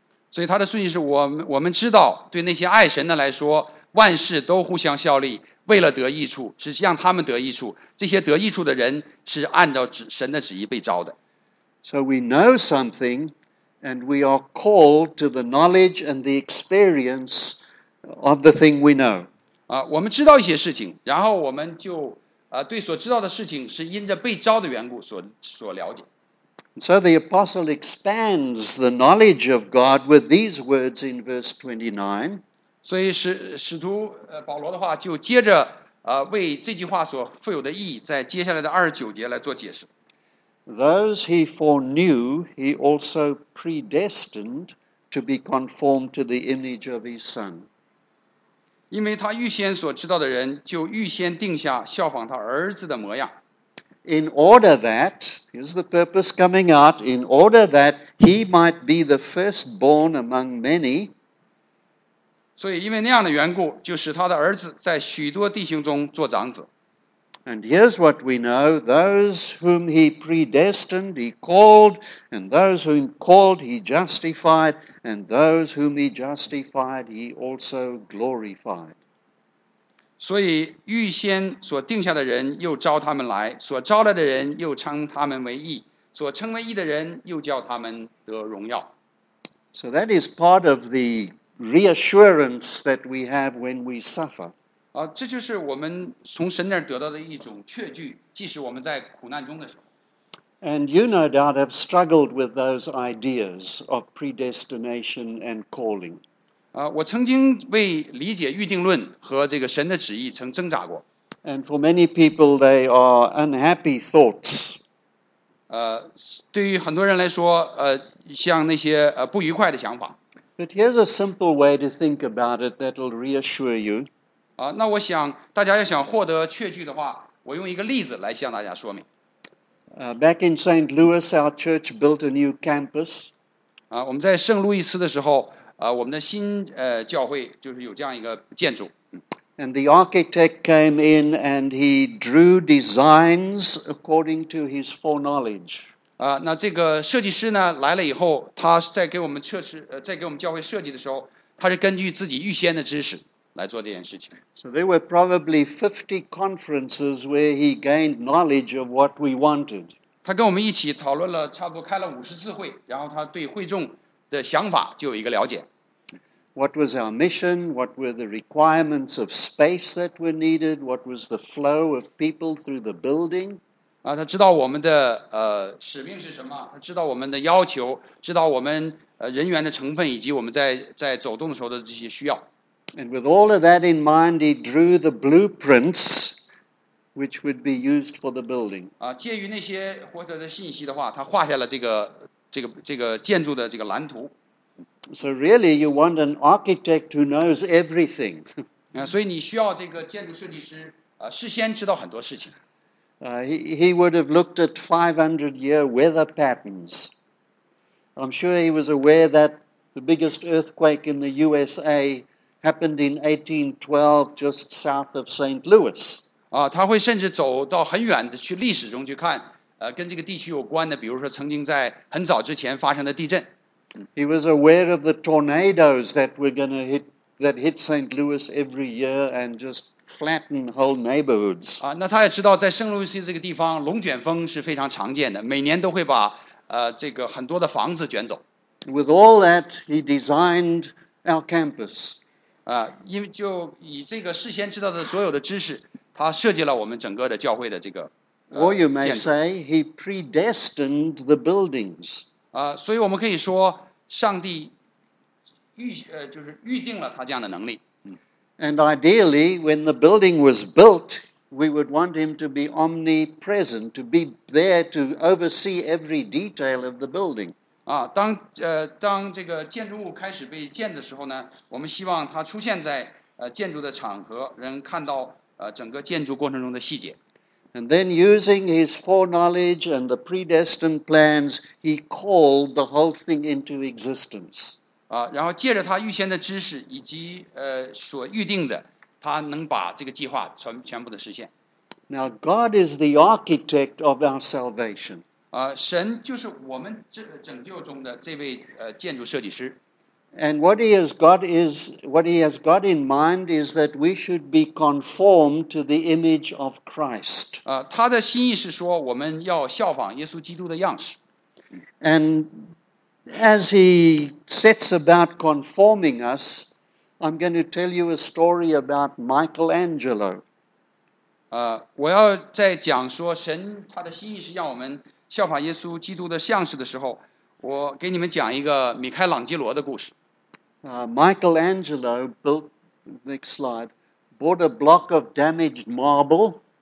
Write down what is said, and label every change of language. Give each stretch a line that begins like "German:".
Chinese: 所以他的顺序是我们知道对那些爱神的来说万事都互相效力，为了得益处，是让他们得益处。这些得益处的人是按照神的旨意被召的。
English: So we know something, and we are called to the knowledge and the experience of the thing we know.
Chinese: 我们知道一些事情，然后我们就对所知道的事情是因着被召的缘故所了解。
English: So the apostle expands the knowledge of God with these words in verse 29.
Chinese: 所以使徒保罗的话就接着为这句话所富有的意义在接下来的二十九节来做解释。
English: Those he foreknew, he also predestined to be conformed to the image of his son.
Chinese: 因为他预先所知道的人就预先定下效仿他儿子的模样。
English: In order that, here's the purpose coming out, in order that he might be the firstborn among many,
Chinese: 所以因为那样的缘故，就使他的儿子在许多弟兄中做长子。
English: And here's what we know, those whom he predestined, he called, and those whom called, he justified, and those whom he justified, he also glorified.
Chinese: 所以预先所定下的人又召他们来，所召来的人又称他们为义，所称为义的人又叫他们得荣耀。
English: So that is part of the reassurance that we have when we suffer.
Chinese: 这就是我们从神那儿得到的一种确据，即使我们在苦难中的时候。
English: And you no doubt have struggled with those ideas of predestination and calling.
Chinese: 我曾经为理解预定论和这个神的旨意曾挣扎过。
English: And for many people, they are unhappy thoughts.
Chinese: 对于很多人来说，像那些不愉快的想法。
English: But here's a simple way to think about it that will reassure you.
Chinese: 那我想大家要想获得确据的话，我用一个例子来向大家说明。
English: Back in St. Louis, our church built a new campus.
Chinese: 我们在圣路易斯的时候，我们的新教会就是有这样一个建筑。
English: And the architect came in and he drew designs according to his foreknowledge.
Chinese: 那这个设计师呢来了以后，他在给我们测试，在给我们教会设计的时候，他是根据自己预先的知识来做这件事情。
English: So there were probably 50 conferences where he gained knowledge of what we wanted.
Chinese: 他跟我们一起讨论了差不多开了50次会，然后他对会众的想法就有一个了解。
English: What was our mission? What were the requirements of space that were needed? What was the flow of people through the building?
Chinese: 他知道我们的使命是什么，他知道我们的要求，知道我们人员的成分以及我们在走动的时候的这些需要。
English: And with all of that in mind, he drew the blueprints which would be used for the building.
Chinese: 介于那些获得的信息的话，他画下了这个建筑的这个蓝图。
English: So really, you want an architect who knows everything.
Chinese: 所以你需要这个建筑设计师事先知道很多事情。
English: He would have looked at 500-year weather patterns. I'm sure he was aware that the biggest earthquake in the USA happened in 1812, just south of St. Louis.
Chinese: 他会甚至走到很远的去历史中去看，跟这个地区有关的，比如说曾经在很早之前发生的地震。
English: He was aware of the tornadoes that were going to hit that hit St. Louis every year and just flatten whole neighborhoods.
Chinese: 那他也知道在圣路易斯这个地方龙卷风是非常常见的，每年都会把这个很多的房子卷走。
English: With all that, he designed our campus.
Chinese: 因为就以这个事先知道的所有的知识，他设计了我们整个的教会的这个建筑。
English: Or you may say he predestined the buildings.
Chinese: 所以我们可以说上帝就是预定了他这样的能力。
English: And ideally, when the building was built, we would want him to be omnipresent, to be there to oversee every detail of the building.
Chinese: 当这个建筑物开始被建的时候呢，我们希望他出现在建筑的场合，能看到整个建筑过程中的细节。
English: And then using his foreknowledge and the predestined plans, he called the whole thing into existence.
Chinese: 然后借着他预先的知识以及所预定的，他能把这个计划全部的实现。
English: Now God is the architect of our salvation.
Chinese: 神就是我们拯救中的这位建筑设计师。
English: And what he has got in mind is that we should be conformed to the image of Christ.
Chinese: 他的心意是说我们要效仿耶稣基督的样式。
English: And as he sets about conforming us, I'm going to tell you a story about Michelangelo.
Chinese: 我要在讲说神他的心意是让我们效仿耶稣基督的样式的时候，我给你们讲一个米开朗基罗的故事。
English: Michelangelo built, next slide, bought a block of damaged marble.